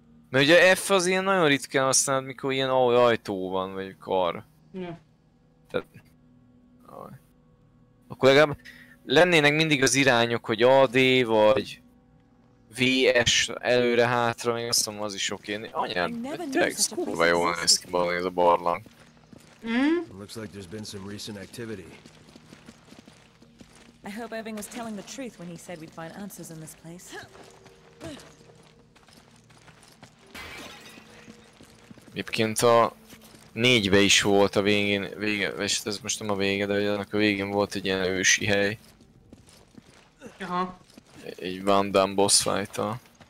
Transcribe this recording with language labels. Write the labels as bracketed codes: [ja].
[hu] Mert ugye F az ilyen nagyon ritkán használod, mikor ilyen ajtó van, vagy kar. Ne. Tehát... Aj. Akkor legalább lennének mindig az irányok, hogy AD vagy... VS előre-hátra, még azt mondom, az is oké. Anyád, tényleg kurva jól néz ki balni ez a barlang. [en] Looks like there's been some recent activity. I hope Irving was telling the truth when he said we'd find answers in this place. [hu] Egyébként a négybe is volt a végén, vége, és ez most nem a vége, de annak a végén volt egy ilyen ősi hely. Aha. Egy Van Damme boss fight-a.